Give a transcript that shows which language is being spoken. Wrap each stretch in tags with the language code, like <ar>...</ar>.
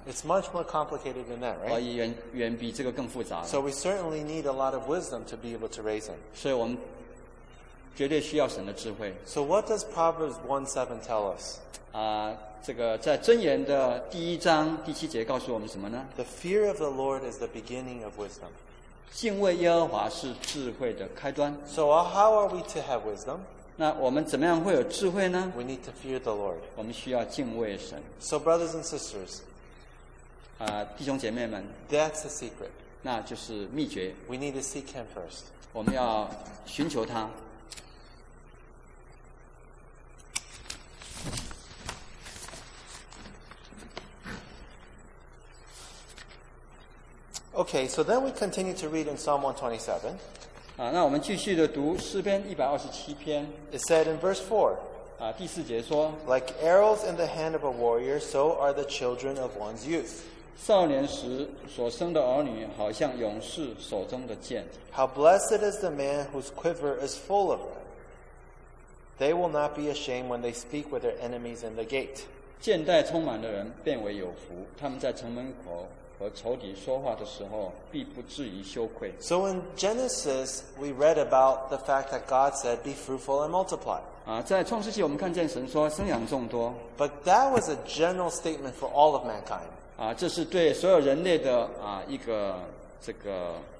<en>It's much more complicated than that, right?</en> <zh>远比这个更复杂。</zh> <en>So we certainly need a lot of wisdom to be able to raise him.</en> <zh>所以我们绝对需要神的智慧。</zh> <en>So what does Proverbs 1:7 tell us?</en> <zh>啊，这个在箴言的第一章第七节告诉我们什么呢？</zh> <en>The fear of the Lord is the beginning of wisdom.</en> <zh>敬畏耶和华是智慧的开端。</zh> <en>So how are we to have wisdom?</en> <zh>那我们怎么样会有智慧呢？</zh> <en>We need to fear the Lord.</en> <zh>我们需要敬畏神。</zh> <en>So brothers and sisters,</en> <zh>弟兄姐妹们，</zh> <en>That's the secret.</en> <zh>那就是秘诀。</zh> <en>We need to seek Him first.</en> <zh>我们要寻求他。</zh> <en>Okay, so then we continue to read in Psalm 127.</en> <zh>啊，那我们继续的读诗篇127篇。</zh> <en>It said in verse 4.</en> <zh>啊，第四节说。</zh> <en>Like arrows in the hand of a warrior, so are the children of one's youth.</en> <zh>少年时所生的儿女，好像勇士手中的剑。</zh> <en>How blessed is the man whose quiver is full of them. They will not be ashamed when they speak with their enemies in the gate.</en> <zh>剑带充满的人变为有福，他们在城门口。和仇敌说话的时候，必不至于羞愧。</zh> <en>So in Genesis, we read about the fact that God said, "Be fruitful and multiply."</en> <zh>啊，在创世纪我们看见神说生养众多。</zh> <en>But that was a general statement for all of mankind.</en> <zh>啊，这是对所有人类的啊一个这个</zh>